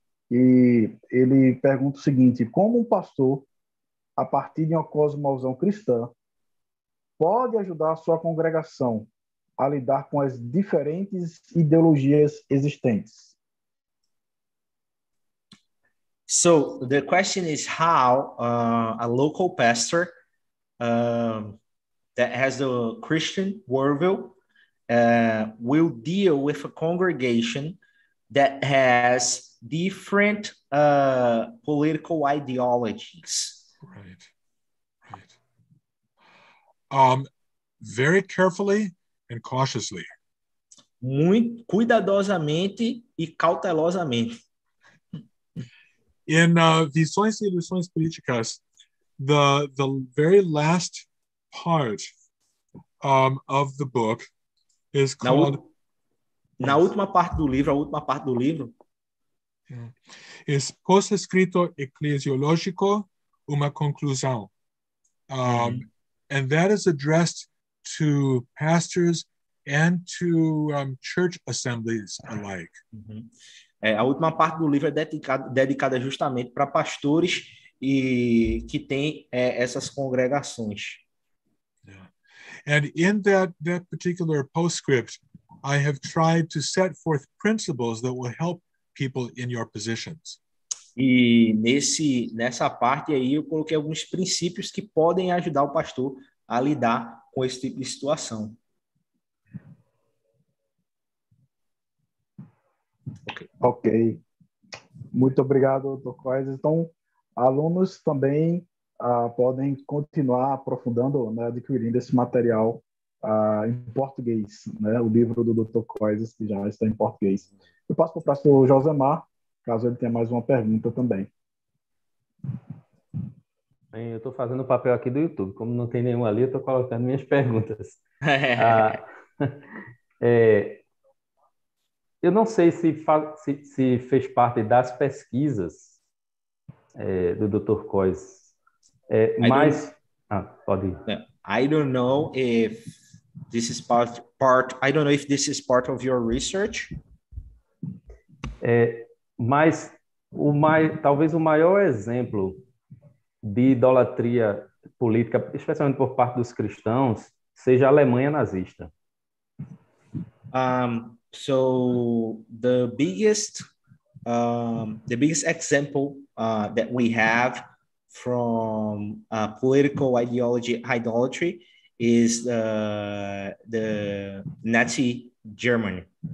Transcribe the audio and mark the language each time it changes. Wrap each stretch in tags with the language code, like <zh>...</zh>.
<pt>E ele pergunta o seguinte: como um pastor, a partir de uma cosmovisão cristã, pode ajudar a sua congregação a lidar com as diferentes ideologias existentes?</pt> <en>So the question is how a local pastor that has a Christian worldview will deal with a congregation that has different political ideologies. Right. Right. Very carefully and cautiously.</en> <pt>Muito cuidadosamente e cautelosamente.</pt> <en>In Visões e Ilusões Políticas, the very last part of the book is called...</en> <pt>Na última parte do livro, a última parte do livro... Yeah. Es post-escrito eclesiológico uma conclusão.</pt> <en>And that is addressed to pastors and to church assemblies alike.</en> <pt>É, a última parte do livro é dedicada justamente para pastores e que têm essas congregações.</pt> <en>Yeah. And in that particular postscript, I have tried to set forth principles that will help people in your positions.</en> <pt>E nessa parte aí eu coloquei alguns princípios que podem ajudar o pastor a lidar com esse tipo de situação. Okay. Muito obrigado, Dr. Coisa. Então, alunos também podem continuar aprofundando, né, adquirindo esse material em português, né? O livro do Dr. Coisas, que já está em português. Eu passo para o pastor Josemar, caso ele tenha mais uma pergunta também. Bem, eu estou fazendo o papel aqui do YouTube. Como não tem nenhum ali, eu estou colocando minhas perguntas. eu não sei se fez parte das pesquisas do Dr. Coisas, mas... pode ir.</pt> <en>I don't know if... This is part. I don't know if this is part of your research.</en> <pt>Mas talvez o maior exemplo de idolatria política, especialmente por parte dos cristãos, seja a Alemanha nazista.</pt> <en>So the biggest example that we have from political ideology idolatry is the Nazi Germany.</en>